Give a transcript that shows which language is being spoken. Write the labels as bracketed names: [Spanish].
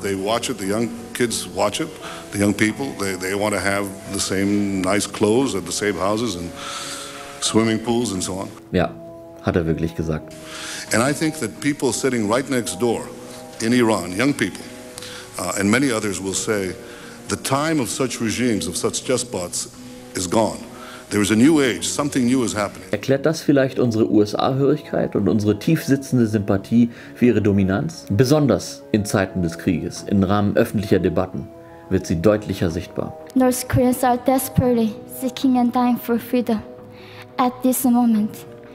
[English] They watch it, the young kids watch it, the young people, they want to have the same nice clothes at the same houses and swimming pools and so on. [German] Ja, hat wirklich gesagt. [English] And I think that people sitting right next door in Iran, young people, and many others will say, the time of such regimes, of such despots, is gone. There is a new age, something new is happening. [German] Erklärt das vielleicht unsere USA-Hörigkeit und unsere tief sitzende Sympathie für ihre Dominanz? Besonders in Zeiten des Krieges, im Rahmen öffentlicher Debatten. wird sie deutlicher sichtbar. [English] North Koreans are desperately seeking and dying for freedom at this moment.